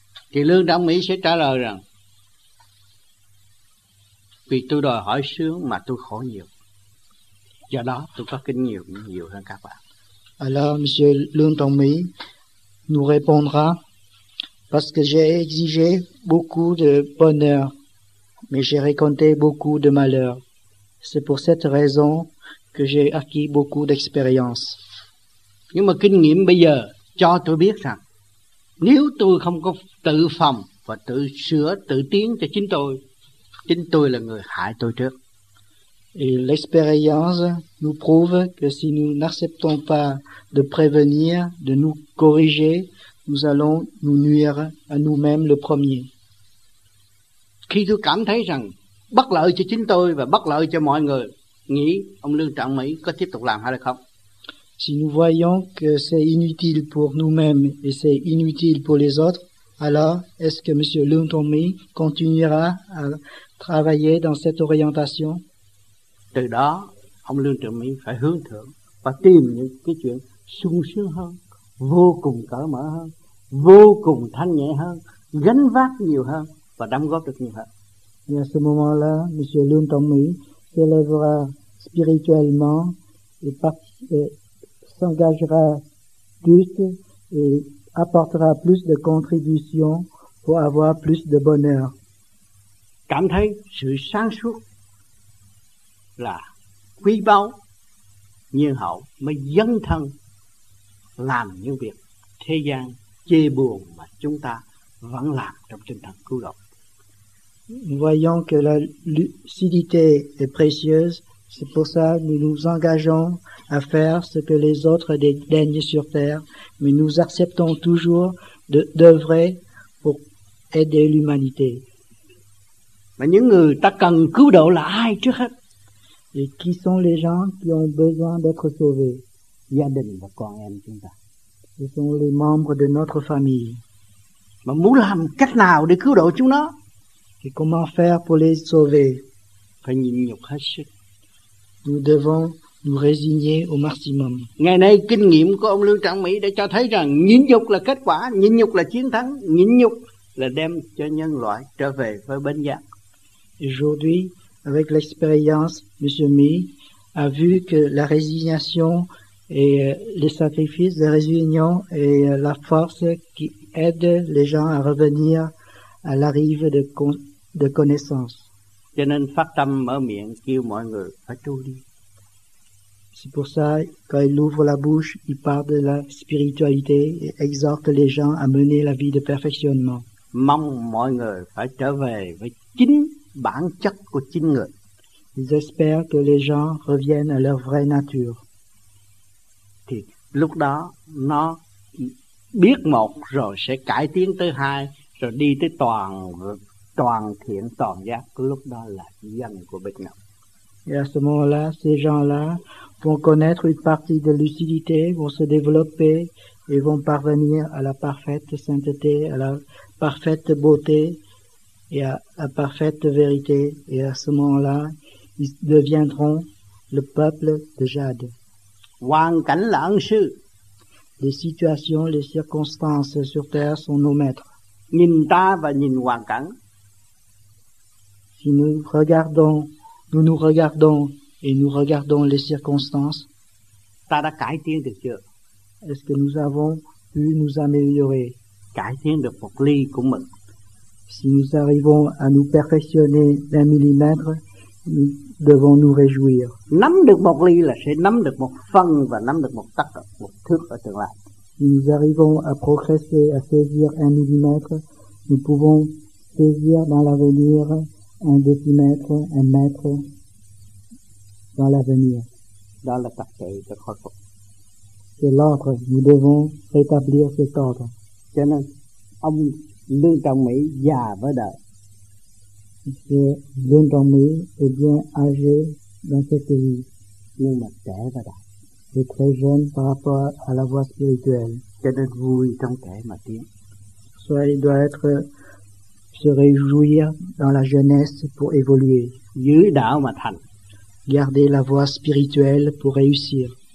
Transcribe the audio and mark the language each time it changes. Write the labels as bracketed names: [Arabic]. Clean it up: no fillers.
[Vietnamese] Thì Lương Trọng Mỹ sẽ trả lời rằng, vì tôi đòi hỏi sướng mà tôi khổ nhiều. Do đó tôi có kinh nghiệm nhiều hơn các bạn. [French] Alors, Monsieur Lương Trọng Mỹ nous répondra, parce que j'ai exigé beaucoup de bonheur, mais j'ai raconté beaucoup de malheur. C'est pour cette raison que j'ai acquis beaucoup d'expérience. [Vietnamese] Nhưng mà kinh nghiệm bây giờ cho tôi biết rằng, nếu tôi không có tự phòng và tự sửa, tự tiến cho chính tôi là người hại tôi trước. [French] Et l'expérience nous prouve que si nous n'acceptons pas de prévenir, de nous corriger, nous allons nous nuire à nous-mêmes le premier. [Vietnamese] Khi tôi cảm thấy rằng bất lợi cho chính tôi và bất lợi cho mọi người, nghĩ ông Lương Trọng Mỹ có tiếp tục làm hay là không? [French] Si nous voyons que c'est inutile pour nous-mêmes et c'est inutile pour les autres, alors est-ce que M. Lương Trọng Mỹ continuera à travailler dans cette orientation. [Vietnamese] Từ đó, ông Lương Trường Mỹ phải hướng thượng và tìm những cái chuyện sung sướng hơn, vô cùng cởi mở hơn, vô cùng thanh nhẹ hơn, gánh vác nhiều hơn và đóng góp được nhiều hơn. [French] Et à ce moment-là, M. Lương Trường Mỹ s'élèvera spirituellement et s'engagera plus et apportera plus de contributions pour avoir plus de bonheur. [Vietnamese] Cảm thấy sự sáng suốt là quý báu, nhân hậu mới dấn thân làm những việc thế gian chê buồn mà chúng ta vẫn làm trong tinh thần cứu độ. [French] Voyons que la lucidité est précieuse, c'est pour ça que nous nous engageons à faire ce que les autres dédaignent sur terre, mais nous acceptons toujours d'œuvrer pour aider l'humanité. Mais [Vietnamese] những người ta cần cứu độ là ai trước hết? [French] Et qui sont les gens qui ont besoin d'être sauvés? [Vietnamese] Gia đình và con em chúng ta. [French] Ce sont les membres de notre famille. [Vietnamese] Mà muốn làm cách nào để cứu độ chúng nó? [French] Et comment faire pour les sauver? [Vietnamese] Phải nhịn nhục hết sức. [French] Nous devons nous résigner au maximum. [Vietnamese] Ngày nay kinh nghiệm của ông Lương Trọng Mỹ đã cho thấy rằng nhịn nhục là kết quả, nhịn nhục là chiến thắng, nhịn nhục là đem cho nhân loại trở về với bên giác. [French] Aujourd'hui, avec l'expérience, M. Mỹ a vu que la résignation et les sacrifices de résignation et la force qui aide les gens à revenir à la rive de connaissance. [Vietnamese] Cho nên phát tâm mở miệng kêu mọi người phải tu đi. [French] C'est pour ça quand il ouvre la bouche, il parle de la spiritualité et exhorte les gens à mener la vie de perfectionnement. [Vietnamese] Mong mọi người phải trở về với chính bản chất của chính người. [French] Ils espèrent que les gens reviennent à leur vraie nature. [Vietnamese] Thì lúc đó nó biết một rồi sẽ cải tiến tới hai rồi đi tới toàn thiện toàn giác, lúc đó là dân của Bích Ngọc. [French] Et à ce moment-là, ces gens-là vont connaître une partie de lucidité, vont se développer et vont parvenir à la parfaite sainteté, à la parfaite beauté et à la parfaite vérité. Et à ce moment-là, ils deviendront le peuple de Jade. [Vietnamese] Hoàng cảnh là ân sư. [French] Les situations, les circonstances sur Terre sont nos maîtres. [Vietnamese] Nhìn ta và nhìn hoàng cảnh. [French] Si nous regardons, nous nous regardons et nous regardons les circonstances, [Vietnamese] ta đã cải tiến được chưa? [French] Est-ce que nous avons pu nous améliorer? [Vietnamese] Cải tiến được một ly của mình. [French] Si nous arrivons à nous perfectionner d'un millimètre, nous devons nous réjouir. [Vietnamese] Nắm được một ly là sẽ nắm được một phần và nắm được một tắc, một thước ở tương lai. [French] Si nous arrivons à progresser, à saisir un millimètre, nous pouvons saisir dans l'avenir un décimètre, un mètre dans l'avenir. Dans la partie de croix. C'est l'ordre, nous devons rétablir cet ordre. [Vietnamese] Cho nên, ông Lương Trọng Mỹ già với đời. [French] Monsieur Lương Trọng Mỹ est bien âgé dans cette vie. [Vietnamese] Nhưng mà trẻ và đời. [French] Il est très jeune par rapport à la voie spirituelle. [Vietnamese] Cho nên vui trong trẻ mà tiến. [French] Soit il doit être se réjouir dans la jeunesse pour évoluer. [Vietnamese] Giữ đạo mà thành. [French] Garder la voie spirituelle pour réussir.